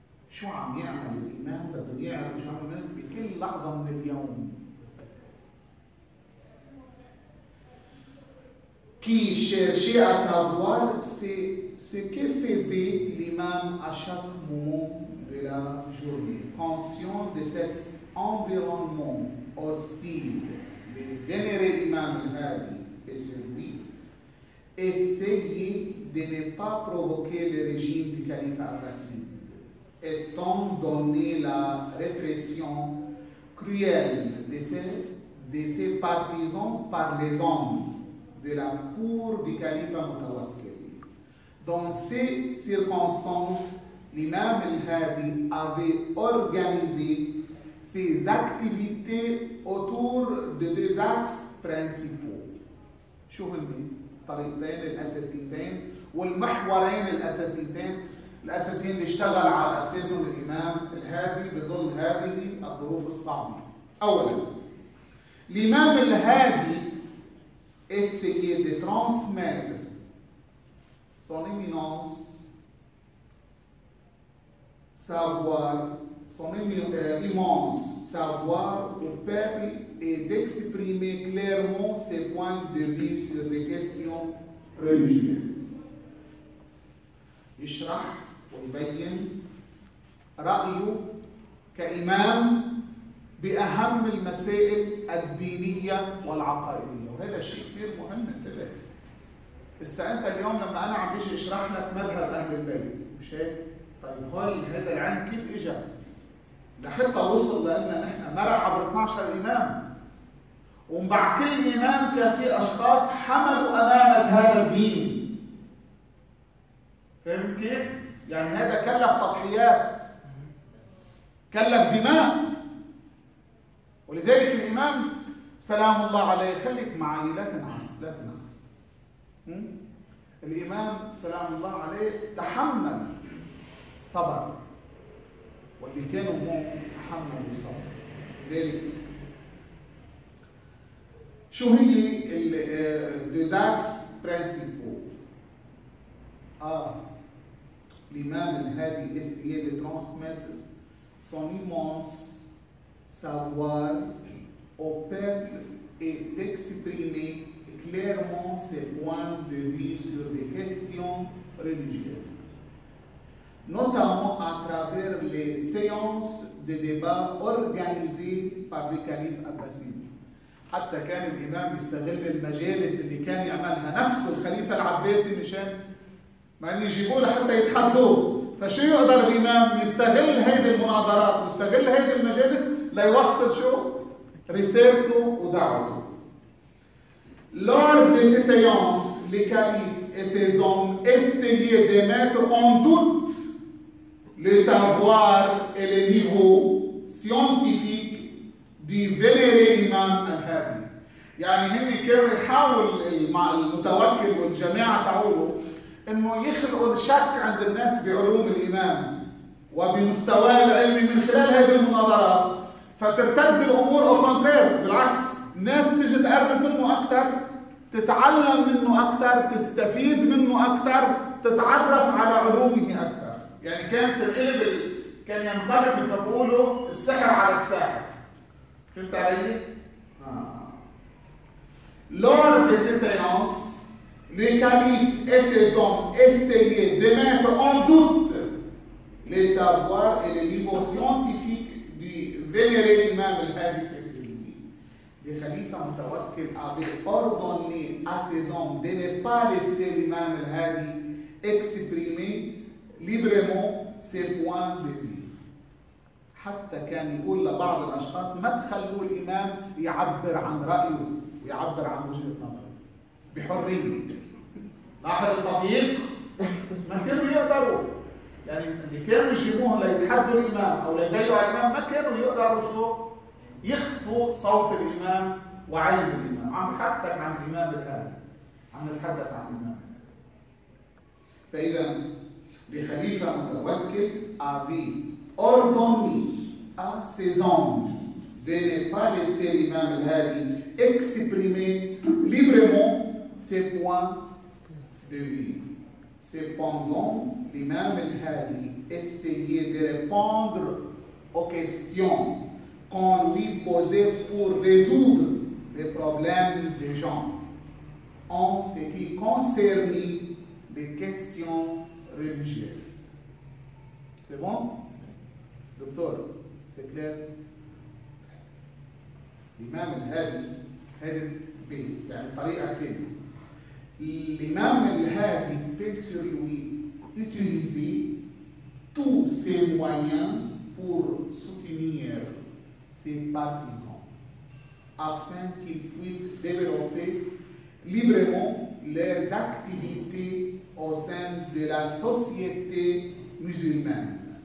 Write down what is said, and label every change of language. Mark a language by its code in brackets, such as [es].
[ar] شو عم يعمل الإمام بدون يعرف شو عم يعمل بكل لحظة من اليوم. [fr] qui cherchait à savoir ce que faisait l'imam à chaque moment de la journée. conscient de cet environnement hostile. Vénérer l'imam al-Hadi et celui essayer de ne pas provoquer le régime du calife abbasside étant donné la répression cruelle de ses partisans par les hommes de la cour du calife Mutawakkil. Dans ces circonstances, l'imam al-Hadi avait organisé ses activités autour de deux axes principaux. [ar] شو هم الطريقتين الأساسيتين والمحورين الأساسيتين الأساسيين اللي اشتغل على أساسهم الإمام الهادي بظل هذه الظروف الصعبة. أولاً، [fr] الإمام الهادي essayé de transmettre son immense savoir son immense savoir au peuple et d'exprimer clairement ses points de vue sur des questions religieuses. [ar] يشرح ويبين رأيه كإمام بأهم المسائل الدينية والعقائدية، وهذا شيء كثير مهم. انتبه بس أنت اليوم لما أنا عم بيجي أشرح لك مذهب أهل البيت، مش هيك؟ طيب هول هذا العلم كيف إجا؟ لحتى وصل لأننا نحن مرع عبر 12 إمام، ومن بعد كل إمام كان في أشخاص حملوا أمانة هذا الدين. فهمت كيف؟ يعني هذا كلف تضحيات، كلف دماء. ولذلك الإمام سلام الله عليه، خليك معي لا تنعس لا تنعس، الإمام سلام الله عليه تحمل صبر، واللي كانوا هم حملوا وصبروا. لذلك شو هي ال ديزاكس برينسيبو؟ الإمام الهادي [fr] essayé de transmettre son immense savoir au peuple et d'exprimer clairement ses points de vue sur des questions religieuses. Notamment à travers les séances de débat organisées par le calife Abbasid. [ar] حتى كان الإمام يستغل المجالس اللي كان يعملها نفسه الخليفة العباسي مشان ما يجيبوه لحتى يتحدوا. فشو يقدر الإمام يستغل هذه المناظرات ويستغل هذه المجالس ليوصل شو؟ رسالته ودعوته. [fr] Lors de ces séances, les califes et ses hommes essayaient de mettre en doute le savoir et le niveau scientifique du vénéré imam al-Hadi. [ar] يعني هم كانوا يحاولوا مع المتوكل والجماعة تعولوا انه يخلقوا شك عند الناس بعلوم الايمان وبمستوى العلم من خلال هذه المناظرات، فترتد الامور [fr] او كونتر، [ar] بالعكس الناس تيجي تقرب منه اكثر، تتعلم منه اكثر، تستفيد منه اكثر، تتعرف على علومه اكثر. يعني كان تقلب، كان ينطبق اللي بقوله السحر على الساحر. فهمت علي؟ [fr] Lors de ces séances, les califs et ses hommes essayaient de mettre en doute les savoirs et les livres scientifiques du vénéré imam al-Hadi Qusaymi. Les califs Mutawakkil avaient ordonné à ses hommes de ne pas laisser l'imam al-Hadi exprimer librement ses points de vue. [ar] حتى كان يقول لبعض الأشخاص ما تخلوا الإمام يعبر عن رأيه ويعبر عن وجهة نظره بحرية. لاحظ التضييق، بس ما كانوا يقدروا، يعني اللي كانوا يجيبوه ليتحدوا الإمام أو ليدلوا على الإمام ما كانوا يقدروا شو يخفوا صوت الإمام وعين الإمام. عم حدث عن الإمام الهادي، عم نتحدث عن الإمام. فإذا لخليفة متوكل أبي [fr] ordonné à ses hommes de ne pas laisser l'imam al-Hadi exprimer librement ses points de vue. Cependant, l'imam al-Hadi essayait de répondre aux questions qu'on lui posait pour résoudre les problèmes des gens. En ce qui concernait les questions religieuses. C'est bon? [ar] دكتور سكلير، الإمام الهادي هذا بي يعني طريقة تانية. الإمام الهادي بيسير لوي يتنزي تو سي موين [fr] pour soutenir ses partisans afin qu'ils puissent développer librement leurs activités au sein de la société musulmane.